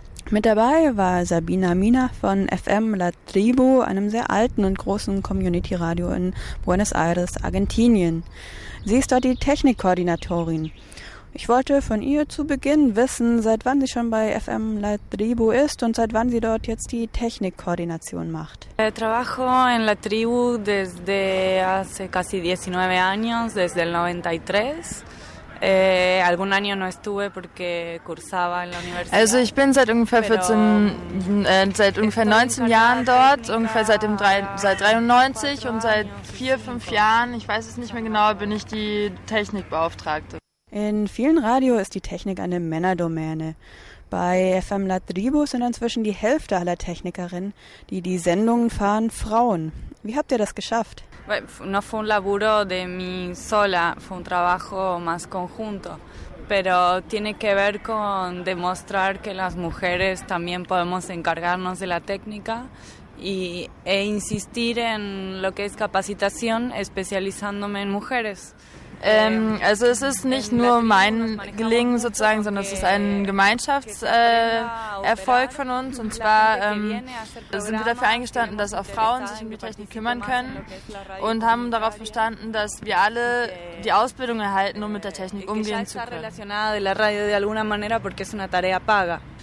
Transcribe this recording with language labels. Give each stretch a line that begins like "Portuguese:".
German: Mit dabei war Sabina Mina von FM La Tribu, einem sehr alten und großen Community-Radio in Buenos Aires, Argentinien. Sie ist dort die Technikkoordinatorin. Ich wollte von ihr zu Beginn wissen, seit wann sie schon bei FM La Tribu ist und seit wann sie dort jetzt die Technikkoordination macht.
Spanish: Trabajo en La Tribu desde hace casi 19 años, desde el 93. Algún año no estuve porque cursaba en la universidad.
German: Also ich bin seit ungefähr 14, seit ungefähr 19 Jahren dort, ungefähr seit 93 und seit 4-5 Jahren, ich weiß es nicht mehr genau, bin ich die Technikbeauftragte. In vielen Radios ist die Technik eine Männerdomäne. Bei FM La Tribu sind inzwischen die Hälfte aller Technikerinnen, die die Sendungen fahren, Frauen. Wie habt ihr das geschafft?
Spanish: No fue un laburo de mí sola, fue un trabajo más conjunto, pero tiene que ver con demostrar que las mujeres también podemos encargarnos de la técnica e insistir en lo que es capacitación, especializándome en mujeres.
German: Also es ist nicht nur mein Gelingen sozusagen, sondern es ist ein Gemeinschaftserfolg von uns. Und zwar sind wir dafür eingestanden, dass auch Frauen sich um die Technik kümmern können und haben darauf bestanden, dass wir alle die Ausbildung erhalten, um mit der Technik umgehen zu können.